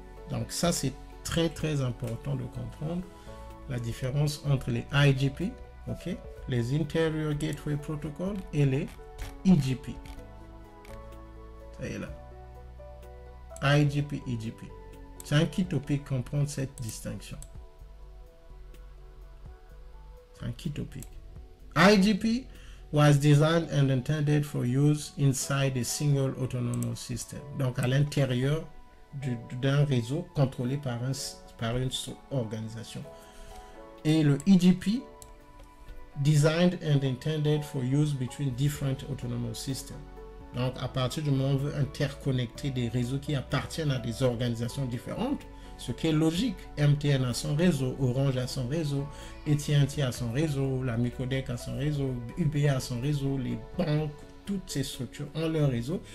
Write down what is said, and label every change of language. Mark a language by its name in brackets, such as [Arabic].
[French] Donc ça, c'est très très important de comprendre la différence entre les IGP, ok, les Interior Gateway Protocol et les EGP. Ça y est là. IGP, EGP. C'est un key topic comprendre cette distinction. C'est un key topic. [English] IGP was designed and intended for use inside a single autonomous system. [French] Donc à l'intérieur d'un réseau contrôlé par une organisation. Et le [English] EGP, designed and intended for use between different autonomous systems. [French] Donc, à partir du moment où on veut interconnecter des réseaux qui appartiennent à des organisations différentes, ce qui est logique, MTN a son réseau, Orange a son réseau, AT&T a son réseau, la Micodec a son réseau, UBA a son réseau, les banques, toutes ces structures ont leur réseau.